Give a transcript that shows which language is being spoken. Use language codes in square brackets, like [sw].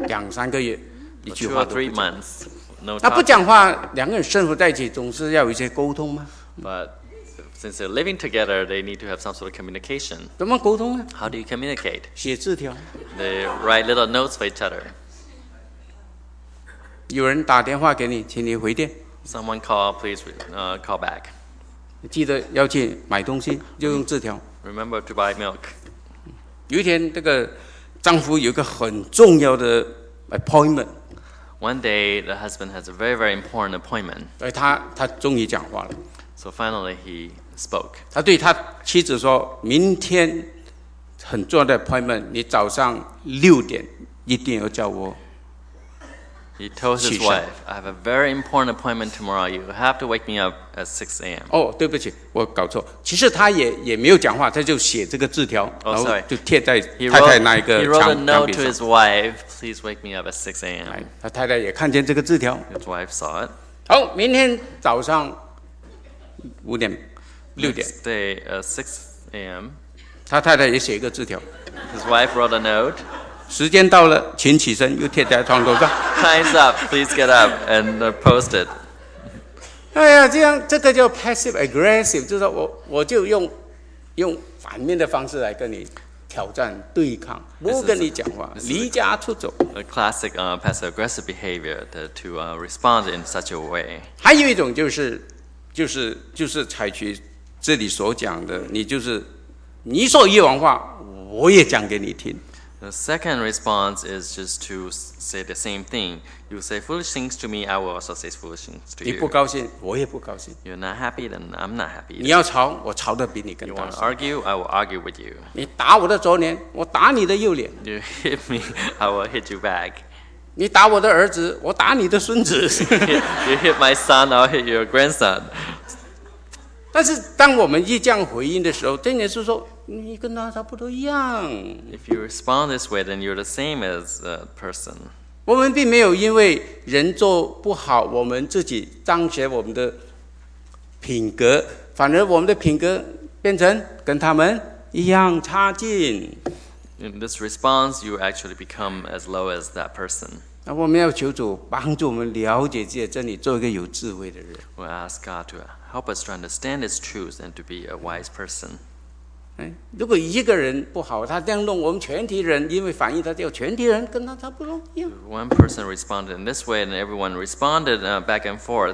[zh] 两三个月，一句话都不讲。 [en] Two or three months, no talking. [zh] 那不讲话，两个人生活在一起，总是要有一些沟通吗？ [en] But since they're living together, they need to have some sort of communication. [zh] 怎么沟通呢？ [en] How do you communicate? [zh] 写字条。 [en] They write little notes for each other. [zh] 有人打电话给你，请你回电。 [en] Someone call, please call back. [zh] 记得要去买东西，就用字条。 [en] Remember to buy milk. [zh] 有一天，这个丈夫有一个很重要的 appointment. [en] One day, the husband has a very, very important appointment. [zh] 对他终于讲话了。 [en] So finally, he spoke. [zh] 他对他妻子说：“明天很重要的 appointment， 你早上六点一定要叫我。” [en] He told his wife, I have a very important appointment tomorrow. You have to wake me up at 6 a.m. [zh] 哦，对不起，我搞错。其实他也没有讲话，他就写这个字条，然后就贴在太太那一个墙壁上。 [en] He wrote a note to his wife, please wake me up at 6 a.m. [zh] 他太太也看见这个字条。 [en] His wife saw it. [zh] 好，明天早上五点六点。 [en] Next day, 6 a.m. [zh] 他太太也写一个字条。 [en] His wife wrote a note. [zh] 时间到了，请起身，又贴在床头上。 [en] Time's up, please get up and post it. [zh] 哎呀，这样这个叫 passive aggressive， 就是我就用反面的方式来跟你挑战对抗，不跟你讲话，离家出走。 [en] A classic passive aggressive behavior to respond in such a way. [zh] 还有一种就是采取这里所讲的，你就是你说一王话，我也讲给你听。 [en] The second response is just to say the same thing. You say foolish things to me, I will also say foolish things to you. [zh] 你不高兴，我也不高兴。 [en] You're not happy, then I'm not happy.、Either. [zh] 你要吵，我吵得比你更大。 [en] You want to argue, I will argue with you. [zh] 你打我的左脸，我打你的右脸。 [en] You hit me, I will hit you back. [zh] 你打我的儿子，我打你的孙子。 [en] You hit my son, I'll hit your grandson. [zh] 但是当我们一这样回应的时候，真的是说你跟他差不多一样。 [en] If you respond this way, then you're the same as a person. [zh] 我们并没有因为人做不好，我们自己彰显我们的品格，反而我们的品格变成跟他们一样差劲。 [en] In this response, you actually become as low as that person. [zh] 那我们要求主帮助我们了解这些真理，做一个有智慧的人。 [en] We ask God to help us to understand this truth and to be a wise person. [zh] 如果一个人不好，他这样弄，我们全体人因为反应，他就全体人跟他差不多一样。 [en] One person responded in this way, and everyone responded back and forth.